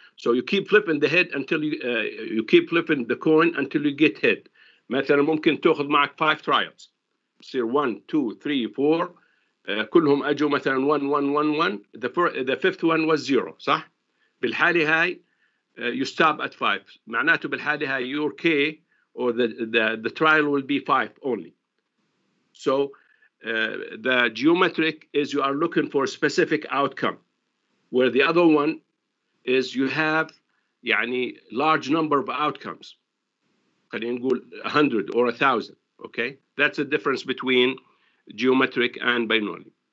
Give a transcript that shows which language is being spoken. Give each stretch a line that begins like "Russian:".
English: So you keep flipping the head until you keep flipping the coin until you get hit.
Arabic: مثلاً ممكن تأخذ معك 5 trials. بصير 1, 2, 3, 4. كلهم أجوا مثلاً 1, 1, 1, 1.
English: The fifth one was zero, صح؟
Arabic: بالحالة هاي
English: you stop at 5.
Arabic: معناته بالحالة هاي
English: your K or the trial will be 5 only. So the geometric is you are looking for a specific outcome, where the other one is you have يعني large number of outcomes.
Arabic: خلينا نقول 100 or 1,000.
English: Okay, that's the difference between geometric and binomial.